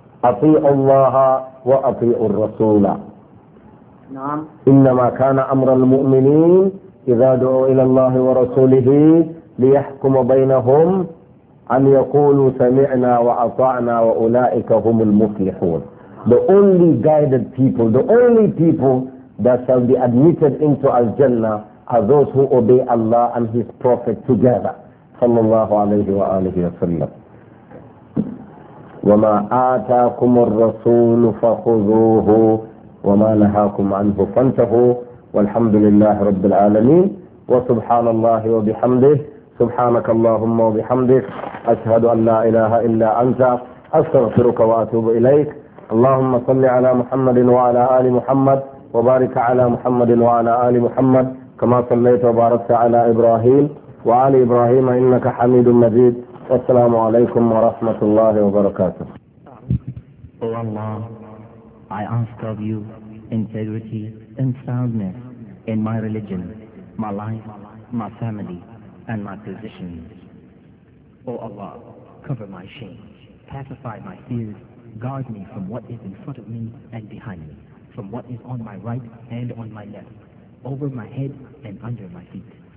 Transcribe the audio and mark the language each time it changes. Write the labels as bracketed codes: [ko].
[ar] أَطِيعُ اللَّهَ وَأَطِيعُ الرَّسُولَ. إِنَّمَا كَانَ أَمْرَ الْمُؤْمِنِينَ إِذَا دُعُوا إِلَى اللَّهِ وَرَسُولِهِ لِيَحْكُمَ بَيْنَهُمْ أَنْ يَقُولُوا سَمِعْنَا وَأَطَعْنَا وَأُولَئِكَ هُمُ الْمُفْلِحُونَ. [en] The only guided people, the only people that shall be admitted into Al-Jannah are those who obey Allah and His Prophet together. Sallallahu alayhi wa alayhi wa sallam. [ar] وَمَا آتَاكُمُ الرَّسُولُ فَخُذُوهُ وَمَا نَهَاكُمْ عَنْهُ فَانْتَهُوا وَالْحَمْدُ لِلَّهِ رَبِّ الْعَالَمِينَ وَسُبْحَانَ اللَّهِ وَبِحَمْدِهِ سبحانك اللهم وبحمدك أشهد أن لا إله إلا أنت أستغفرك وأتوب إليك. اللهم صل على محمد وعلى آل محمد وبارك على محمد وعلى آل محمد كما صليت وباركت على إبراهيم وعلى إبراهيم إنك حميد مجيد. والسلام عليكم ورحمة الله وبركاته. [en] Oh Allah, I ask of you integrity and soundness in my religion, my life, my family, and my position. Oh Allah, cover my shame, pacify my fears, guard me from what is in front of me and behind me, from what is on my right and on my left, over my head and under my feet.